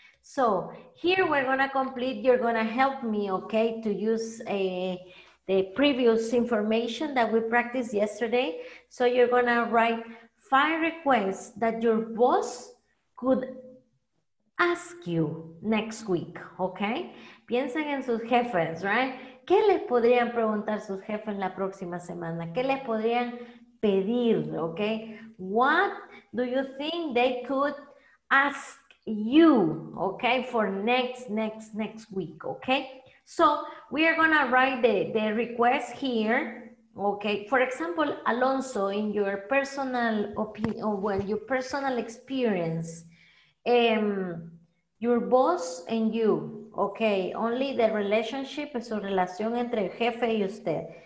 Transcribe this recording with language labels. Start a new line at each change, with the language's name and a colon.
English: So here we're gonna complete, you're gonna help me, okay, to use the previous information that we practiced yesterday. So you're gonna write 5 requests that your boss could ask you next week, okay?
Spanish: Piensen en sus jefes, right? ¿Qué les podrían preguntar sus jefes la próxima semana? ¿Qué les podrían pedir, okay?
English: What do you think they could ask you, okay, for next week, okay? So we are gonna write the request here, okay? For example, Alonso, in your personal opinion, well, your personal experience, your boss and you, okay, only the relationship is a
Spanish: relación entre el jefe y usted.